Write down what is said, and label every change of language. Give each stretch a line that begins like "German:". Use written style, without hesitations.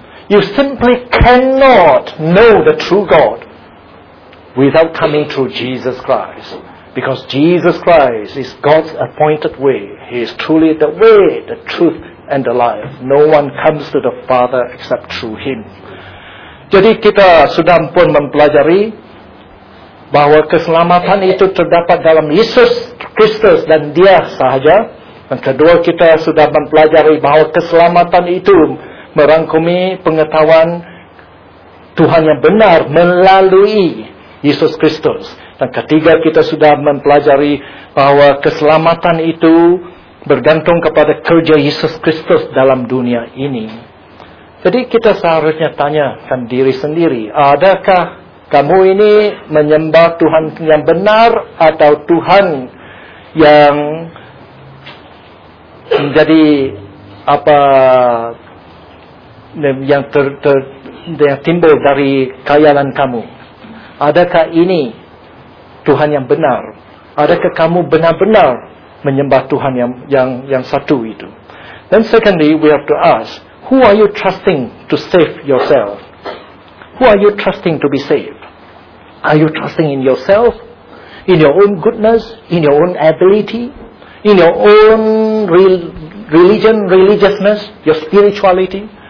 English: You simply cannot know the true God without coming through Jesus Christ. Because Jesus Christ is God's appointed way. He is truly the way, the truth, and the life. No one comes to the Father except through Him.
Malay: Jadi kita sudah pun mempelajari bahwa keselamatan itu terdapat dalam Yesus Kristus dan Dia sahaja. Dan kedua, kita sudah mempelajari bahwa keselamatan itu merangkumi pengetahuan Tuhan yang benar melalui Yesus Kristus. Dan ketiga, kita sudah mempelajari bahwa keselamatan itu bergantung kepada kerja Yesus Kristus dalam dunia ini. Jadi kita seharusnya tanyakan diri sendiri, adakah kamu ini menyembah Tuhan yang benar atau Tuhan yang menjadi apa yang yang timbul dari khayalan kamu? Adakah ini Tuhan yang benar? Adakah kamu benar-benar menyembah Tuhan yang satu itu?
English: Then secondly, we have to ask, who are you trusting to save yourself? Who are you trusting to be saved? Are you trusting in yourself? In your own goodness? In your own ability? In your own religion, religiousness, your spirituality?